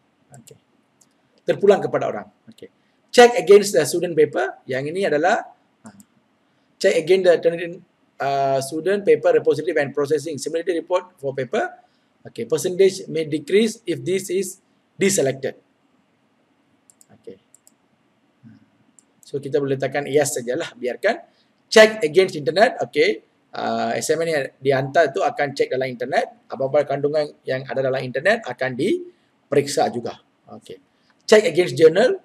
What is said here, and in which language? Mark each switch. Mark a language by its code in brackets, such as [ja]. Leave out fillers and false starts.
[ms] Okay, terpulang kepada orang. [en] Okay, check against the student paper. [ms] Yang ini adalah [en] check again the student paper repository when processing similarity report for paper. Okay, percentage may decrease if this is deselected. [ms] Okay, so kita boleh letakkan yes sajalah, biarkan. [en] Check against internet. [ms] Okay, assignment yang dihantar itu akan check dalam internet. Apa-apa kandungan yang ada dalam internet akan diperiksa juga. [en] Okay, check against journal.